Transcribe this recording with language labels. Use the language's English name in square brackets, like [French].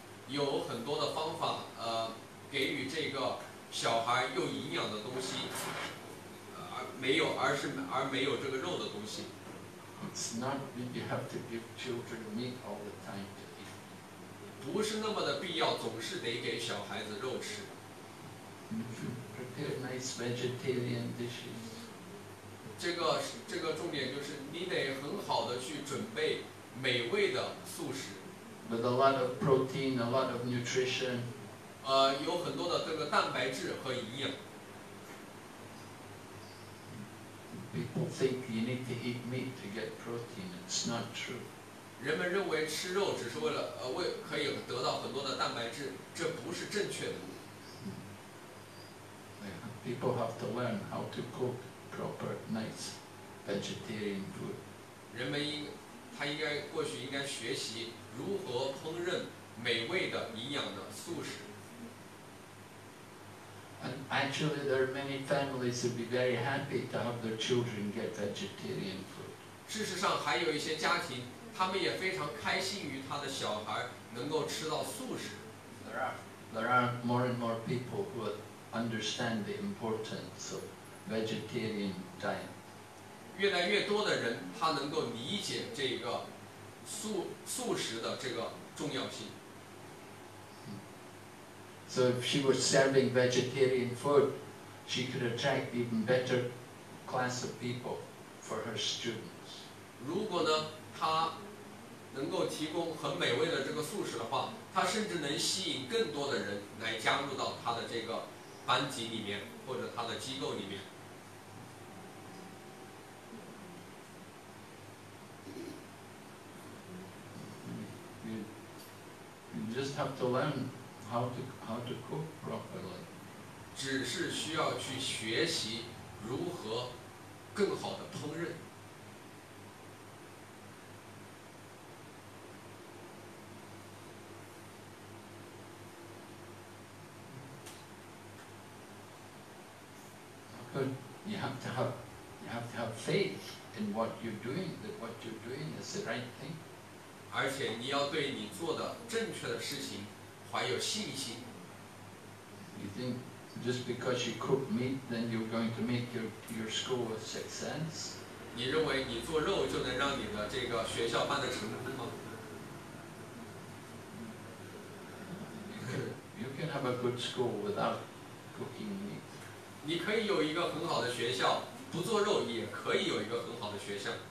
[Chinese] 有很多的方法，给予这个小孩又营养的东西，而没有这个肉的东西。 [English] It's not that you have to give children meat all the time to eat. [Chinese] 不是那么的必要，总是得给小孩子肉吃。 [English] Prepare nice vegetarian dishes. [Chinese] 这个重点就是你得很好的去准备美味的素食。 [English] With a lot of protein, a lot of nutrition. [Chinese] 有很多的这个蛋白质和营养。 [English] People think you need to eat meat to get protein. It's not true. [Chinese] 人们认为吃肉只是为了可以得到很多的蛋白质，这不是正确的。 [English] Yeah, people have to learn how to cook proper, nice vegetarian food. [Chinese] 人们应该学习。如何烹饪美味的营养的素食 [English] ？And actually, there are many families who would be very happy to have their children get vegetarian food. [Chinese] 事实上，还有一些家庭，他们也非常开心于他的小孩能够吃到素食。 [English] There are more and more people who understand the importance of vegetarian diet. [Chinese] 越来越多的人，他能够理解这个。素食的这个重要性。 [English] So if she was serving vegetarian food, she could attract even better class of people for her students. [Chinese] 如果呢，她能够提供很美味的这个素食的话，她甚至能吸引更多的人来加入到她的这个班级里面或者她的机构里面。 [English] You just have to learn how to cook properly. [Chinese] 只是需要去学习如何更好的烹饪。 [English] Good. You have to have faith in what you're doing. That what you're doing is the right thing. [Chinese] 而且你要对你做的正确的事情怀有信心。 [English] You think just because you cook meat, then you're going to make your school a success? [Chinese] 你认为你做肉就能让你的这个学校办得成功吗 [English] ？You can have a good school without cooking meat. [Chinese] 你可以有一个很好的学校，不做肉也可以有一个很好的学校。